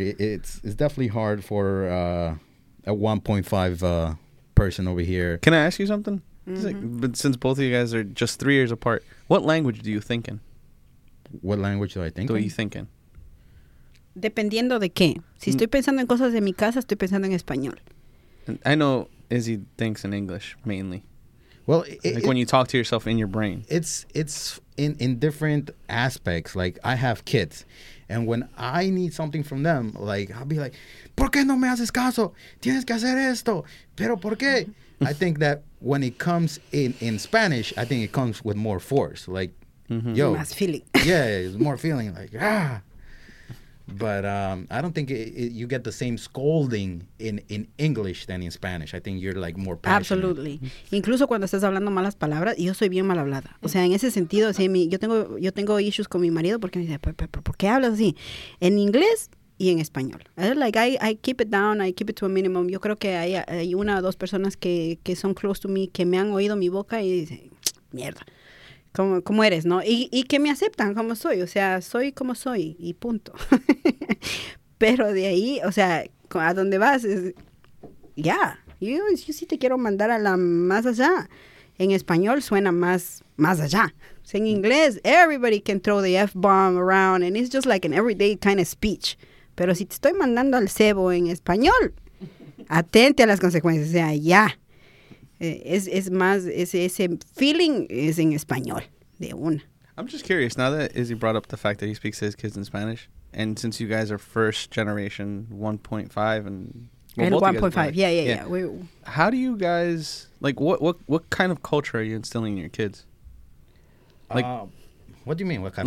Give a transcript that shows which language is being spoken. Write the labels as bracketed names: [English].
[English] It's definitely hard for a 1.5 person over here. Can I ask you something? Mm-hmm. But since both of you guys are just 3 years apart, what language do you think in? What language do I think in? What are you thinking? [Spanish] Dependiendo de qué. Si estoy pensando en cosas de mi casa, estoy pensando en español. [English] And I know Izzy thinks in English mainly. Well, when you talk to yourself in your brain. It's in different aspects. Like, I have kids. And when I need something from them, like, I'll be like, [Spanish] ¿por qué no me haces caso? Tienes que hacer esto. Pero ¿por qué? [English] I think that when it comes in Spanish, I think it comes with more force. Like, mm-hmm. yo. [Spanish] Más feeling. [English] Yeah, it's more feeling. Like, ah. But I don't think you get the same scolding in English than in Spanish. I think you're like more passionate. Absolutely. [Spanish] Incluso cuando estás hablando malas palabras, yo soy bien mal hablada. O sea, en ese sentido, si mi, yo tengo issues con mi marido porque me dice, ¿por qué hablas así? En inglés y en español. [English] Like, I keep it down, I keep it to a minimum. [Spanish] Yo creo que hay una o dos personas que son [English] close to me [Spanish] que me han oído mi boca y dicen, mierda. Como eres, ¿no? Y que me aceptan como soy. O sea, soy como soy y punto. Pero de ahí, o sea, a dónde vas, es, ya. [English] Yeah. [Spanish] Yo sí te quiero mandar a la más allá. En español suena más allá. [English] So [Spanish] en inglés, [English] everybody can throw the F-bomb around and it's just like an everyday kind of speech. [Spanish] Pero si te estoy mandando al cebo en español, atente a las consecuencias. O sea, ya. [English] Yeah. [Spanish] Es más, ese feeling es en español, de una. [English] I'm just curious, now that Izzy brought up the fact that he speaks to his kids in Spanish, and since you guys are first generation 1.5 and... Well, and 1.5, yeah. How do you guys, like, what kind of culture are you instilling in your kids? Like, what do you mean, what kind